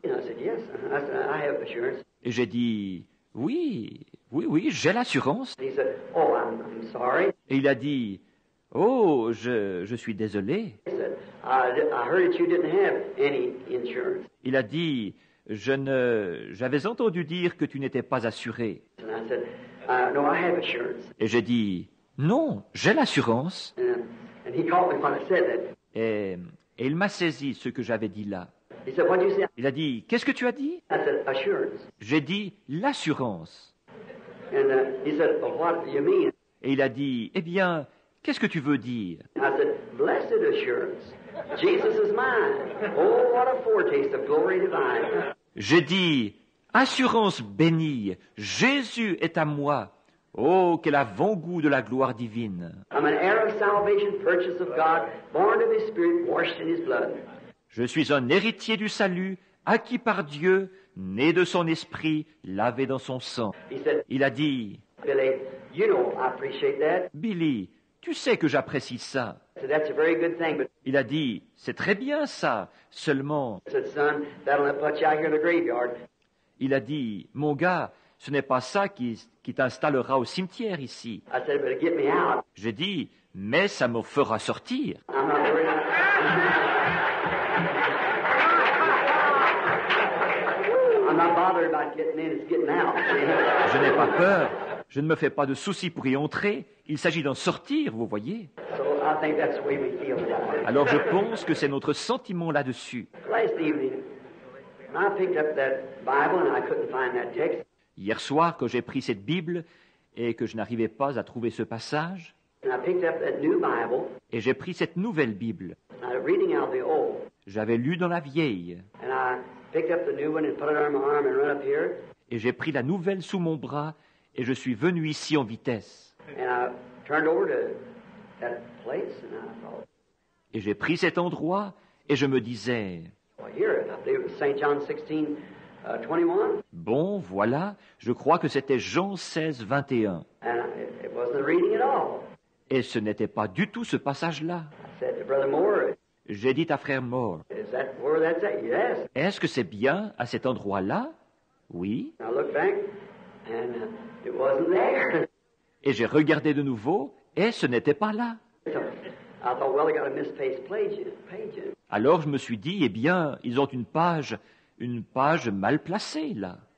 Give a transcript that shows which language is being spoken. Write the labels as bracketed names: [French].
[English] And I said, yes, I have assurance. [French] Et j'ai dit, oui, oui, oui, j'ai l'assurance. [English] And he said, oh, I'm sorry. [French] Et il a dit, oh, je suis désolé. [English] I heard that you didn't have any insurance. [French] Il a dit, j'avais entendu dire que tu n'étais pas assuré. [English] And I said, no, I have assurance. [French] Et j'ai dit, non, j'ai l'assurance. [English] And he caught me when I said that. [French] Et il m'a saisi ce que j'avais dit là. [English] He said, what did you say? [French] Il a dit, qu'est-ce que tu as dit? [English] I said, assurance. [French] J'ai dit, l'assurance. [English] And he said, well, what do you mean? [French] Et il a dit, eh bien, qu'est-ce que tu veux dire? [English] I said, blessed assurance. Jesus is mine. Oh, what a foretaste of glory divine. [French] J'ai dit, assurance bénie. Jésus est à moi. Oh, quel avant-goût de la gloire divine. [English] I'm an heir of salvation, purchase of God, born of his spirit, washed in his blood. [French] Je suis un héritier du salut, acquis par Dieu, né de son esprit, lavé dans son sang. [English] He said, [French] il a dit, [English] Billy, you know, I appreciate that. [French] Billy, tu sais que j'apprécie ça. [English] So that's a very good thing, but [French] il a dit, c'est très bien ça, seulement. [English] I said, son, that'll not put you out here in the graveyard. [French] Il a dit, mon gars, ce n'est pas ça qui t'installera au cimetière ici. [English] I said, but get me out. [French] J'ai dit, mais ça me fera sortir. [English] I'm not worried about I'm not bothered about getting in, it's getting out. [French] Je n'ai pas peur. Je ne me fais pas de soucis pour y entrer. Il s'agit d'en sortir, vous voyez. [English] So I think that's the way we feel about it. [French] Alors je pense que c'est notre sentiment là-dessus. [English] Last evening, when I picked up that Bible and I couldn't find that text. [French] Hier soir, quand j'ai pris cette Bible et que je n'arrivais pas à trouver ce passage, [English] and I picked up that new Bible, [French] et j'ai pris cette nouvelle Bible, [English] and I was reading out the old, [French] j'avais lu dans la vieille, [English] and I picked up the new one and put it on my arm and run up here. [French] Et j'ai pris la nouvelle sous mon bras et je suis venu ici en vitesse. [English] And I turned over to that place and I thought, [French] et j'ai pris cet endroit et je me disais, [English] well, here, I believe it was St. John 16, 21. [French] Bon, voilà, je crois que c'était Jean 16, 21. [English] And it wasn't the reading at all. [French] Et ce n'était pas du tout ce passage-là. [English] I said to Brother Moore, [French] j'ai dit à Frère Moore, [English] is that where that's at? Yes. [French] Est-ce que c'est bien à cet endroit-là? Oui. [English] I looked back and it wasn't there. [French] Et j'ai regardé de nouveau et ce n'était pas là. [English] I thought, well, they got a misplaced page. [French] Alors je me suis dit, eh bien, ils ont une page mal placée là.